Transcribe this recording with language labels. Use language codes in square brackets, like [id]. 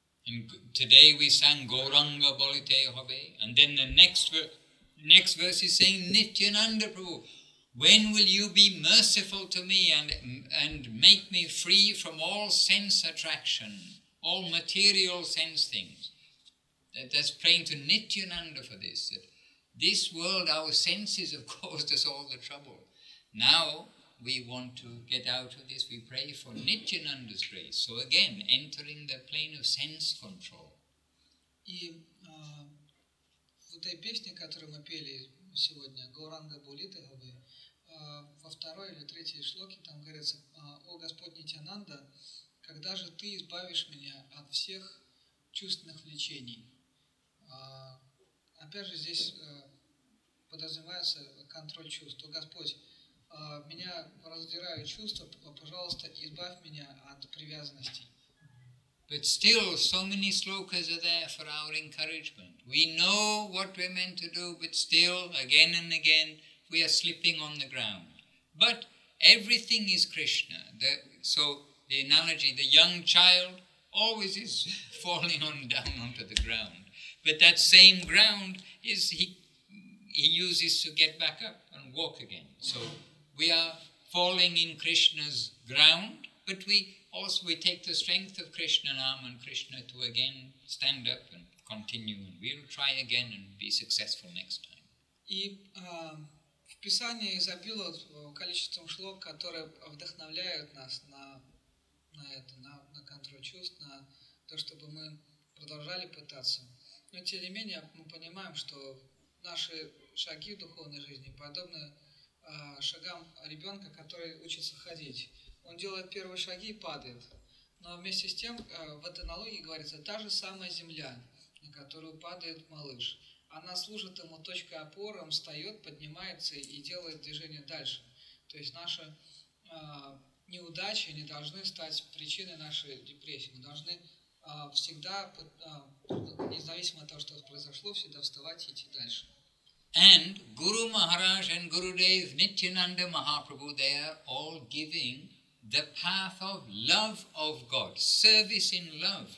[en] And today we sang Gauranga Balite Hobe, and then the next verse is saying Nityananda Prabhu, when will you be merciful to me and make me free from all sense attraction, all material sense things? That's praying to Nityananda for this, that this world, our senses have caused us all the trouble. Now we want to get out of this. We pray for Nityananda's grace. So again, entering the plane of sense control. [ru] И в этой песне, которую мы пели сегодня, Гауранга Булита, во второй или третьей шлоке там говорится, о Господь Нитянанда, когда же ты избавишь меня от всех чувственных влечений? Опять же, здесь подразумевается контроль чувств. Господь, меня раздирают чувства, пожалуйста, избавь меня от привязанностей. [en] But still, so many slokas are there for our encouragement. We know what we're meant to do, but still, again and again, we are slipping on the ground. But everything is Krishna. So the analogy, the young child always is falling on down onto the ground. But that same ground is he uses to get back up and walk again. So we are falling in Krishna's ground, but we take the strength of Krishna Nam and Krishna to again stand up and continue, and we'll try again and be successful next time. [ru] И в Писании изобилует количеством шлок, которые вдохновляют нас на это, на контроль чувств, на то, чтобы мы продолжали пытаться. Но тем не менее мы понимаем, что наши шаги в духовной жизни подобны шагам ребенка, который учится ходить. Он делает первые шаги и падает. Но вместе с тем, в этой аналогии говорится, та же самая земля, на которую падает малыш. Она служит ему точкой опоры, он встает, поднимается и делает движение дальше. То есть наши неудачи не должны стать причиной нашей депрессии. Мы должны всегда, независимо от того, что произошло, всегда вставать и идти дальше. [en] And Guru Maharaj and Gurudev, Nityananda Mahaprabhu, they are all giving the path of love of God, service in love.